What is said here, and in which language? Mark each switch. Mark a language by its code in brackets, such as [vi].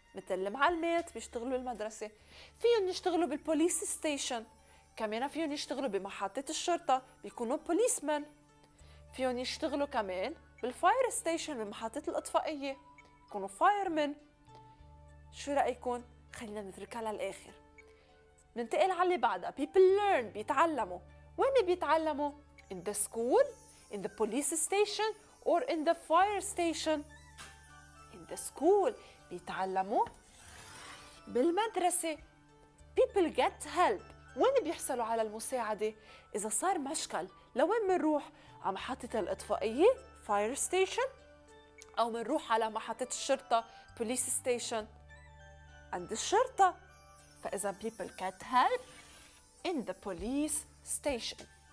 [ar] مثل المعلمات بيشتغلوا بالمدرسة. فيهم يشتغلوا بالبوليس ستيشن. كمان فيهم يشتغلوا بمحطة الشرطة بيكونوا بوليسمن. فيهم يشتغلوا كمان بالفاير ستيشن بمحطة الإطفائية يكونوا فايرمن. شو رأيكم؟ خلينا نتركها للآخر. ننتقل على اللي بعدها. People learn بيتعلموا. [en] وين بيتعلموا؟ In the school, in the police station or in the fire station. In the school بيتعلموا. بالمدرسة. People get help. [ar] وين بيحصلوا على المساعدة؟ إذا صار مشكل لوين منروح؟ على محطة الإطفائية fire station أو منروح على محطة الشرطة police station عند الشرطة. [en] فإذا people get help in the police station.